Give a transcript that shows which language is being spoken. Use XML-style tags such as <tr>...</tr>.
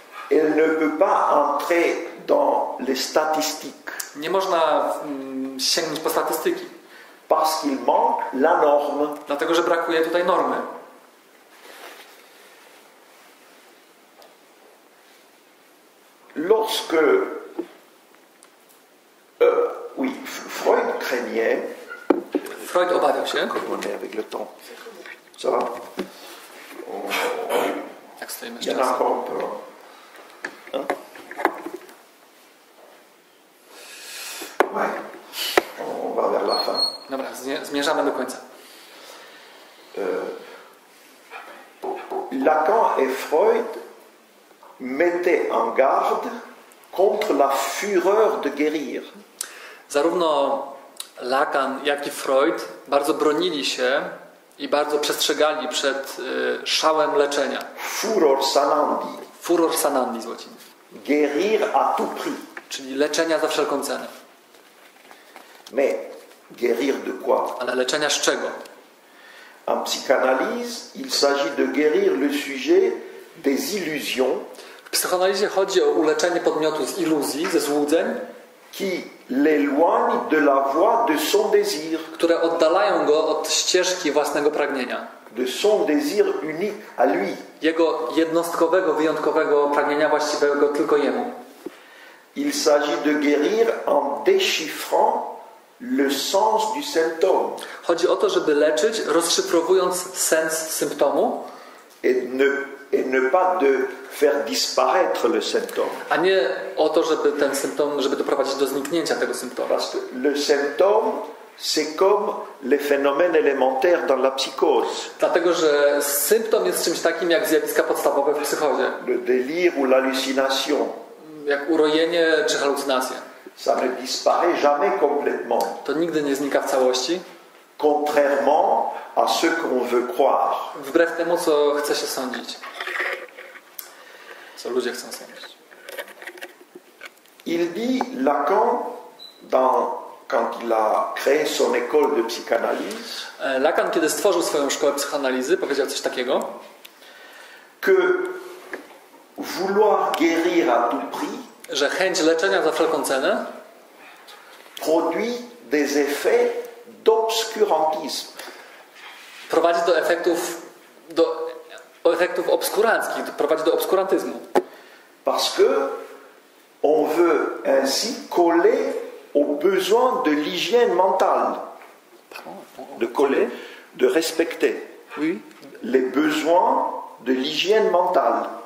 <fr>Elle ne peut pas entrer dans les statistiques.</fr> <pl>Nie można sięgnąć po statystyki.</pl> <fr>Parce qu'il manque la norme.</fr> <pl>Dlatego, że brakuje tutaj normy.</pl> <fr>Lorsque oui, Freud craignait.</fr> <pl>Freud obawiał się.</pl> <fr>Comment avec le temps. Ça va.</fr> <pl>Jak stoimy jeszcze raz.</pl> <fr>Hein?</fr> <pl>Dobra, zmierzamy do końca.</pl> <fr>Lacan et Freud mettaient en garde contre la fureur de guérir.</fr> <pl>Zarówno Lacan, jak i Freud bardzo bronili się i bardzo przestrzegali przed szałem leczenia.</pl> <la>Furor sanandi. Furor sanandi</la> <pl>z łaciny.</pl> <fr>Guérir à tout prix.</fr> <pl>Czyli leczenia za wszelką cenę.</pl> <fr>Mais guérir de quoi?</fr> <pl>Ale leczenia z czego?</pl> <fr>En psychanalyse, il s'agit de guérir le sujet des illusions.</fr> <pl>W psychoanalizie chodzi o uleczenie podmiotu z iluzji, ze złudzeń,</pl> <fr>qui l'éloigne de la voie de son désir.</fr> <pl>Które oddalają go od ścieżki własnego pragnienia.</pl> <fr>De son désir unique à lui.</fr> <pl>Jego jednostkowego, wyjątkowego pragnienia właściwego tylko jemu.</pl> <fr>Il s'agit de guérir en déchiffrant le sens du symptôme.</fr> <pl>Chodzi o to, żeby leczyć, rozszyfrowując sens symptomu.</pl> <fr>Et ne pas de faire disparaître le symptôme.</fr> <pl>A nie o to, żeby ten symptom, żeby doprowadzić do zniknięcia tego symptomu.</pl> <fr>Parce que le symptôme, c'est comme les phénomènes élémentaires dans la psychose.</fr> <pl>Dlatego, że symptom jest czymś takim jak zjawiska podstawowe w psychozie.</pl> <fr>Le délire ou l'hallucination.</fr> <pl>Jak urojenie czy halucynacja.</pl> <fr>Ça ne disparaît jamais complètement.</fr> <pl>To nigdy nie znika w całości.</pl> <fr>Contrairement à ce qu'on veut croire.</fr> <pl>Wbrew temu, co chce się sądzić. Co ludzie chcą sądzić.</pl> <fr>Il dit Lacan quand il a créé son école de psychanalyse.</fr> <pl>Lacan, kiedy stworzył swoją szkołę psychoanalizy, powiedział coś takiego,</pl> <fr>que vouloir guérir à tout prix,</fr> <pl>że chęć leczenia za wszelką cenę</pl> <fr>produit des effets d'obscurantisme.</fr> <pl>prowadzi do efektów obskuranckich, prowadzi do obskurantyzmu.</pl> <fr>Parce que on veut ainsi coller aux besoins de l'hygiène mentale. De coller, de respecter. Oui. Les besoins de l'hygiène mentale.</fr>